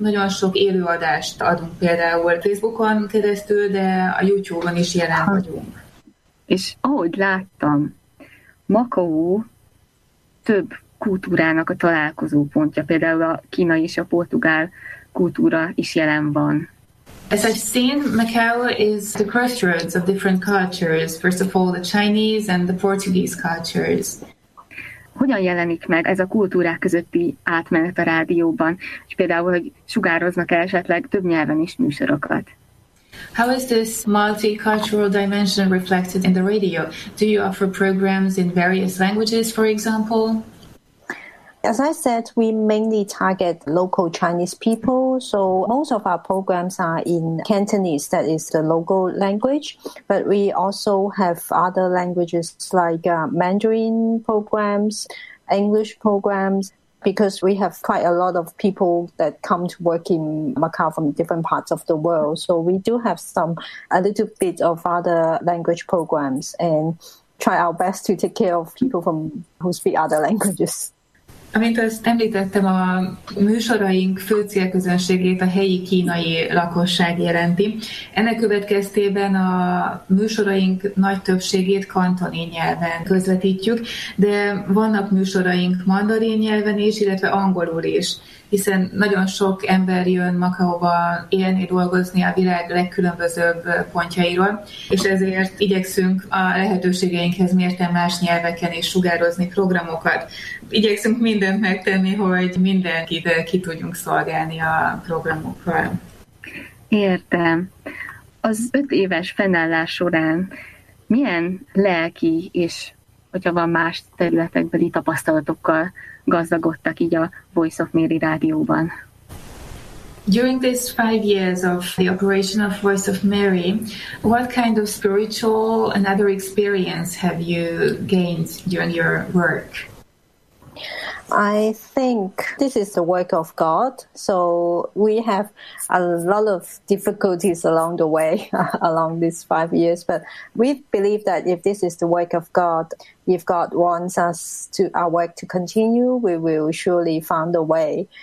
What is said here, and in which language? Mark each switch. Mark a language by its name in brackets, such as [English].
[Hungarian] Nagyon sok élőadást adunk például Facebookon keresztül, de a YouTube-on is jelen vagyunk. És ahogy láttam, Makaó több kultúrának a találkozó pontja, például a kínai és a portugál kultúra is jelen van. [English] As I've seen, Macau is the crossroads of different cultures, first of all the Chinese and the Portuguese cultures. [Hungarian] Hogyan jelenik meg ez a kultúrák közötti átmenet a rádióban, és például, hogy sugároznak esetleg több nyelven is műsorokat? [English] How is this multicultural dimension reflected in the radio? Do you offer programs in various languages, for example? As I said, we mainly target local Chinese people, so most of our programs are in Cantonese, that is the local language, but we also have other languages like Mandarin programs, English programs, because we have quite a lot of people that come to work in Macau from different parts of the world, so we do have some, a little bit of other language programs and try our best to take care of people from who speak other languages. [Hungarian] Amint azt említettem, a műsoraink fő célközönségét a helyi kínai lakosság jelenti. Ennek következtében a műsoraink nagy többségét kantoni nyelven közvetítjük, de vannak műsoraink mandarin nyelven is, illetve angolul is, hiszen nagyon sok ember jön Makaóba élni, dolgozni a világ legkülönbözőbb pontjairól, és ezért igyekszünk a lehetőségeinkhez mérten más nyelveken is sugározni programokat. Igyekszünk mindent megtenni, hogy mindenkit ki tudjunk szolgálni a programokkal. Értem. Az 5 éves fennállás során milyen lelki és, hogyha van más területekbeli tapasztalatokkal gazdagodtak így a Voice of Mary rádióban? [English] During these 5 years of the operation of Voice of Mary, what kind of spiritual and other experience have you gained during your work? I think this is the work of God, so we have a lot of difficulties along the way, along these 5 years, but we believe that if this is the work of God, if God wants us to our work to continue, we will surely find a way.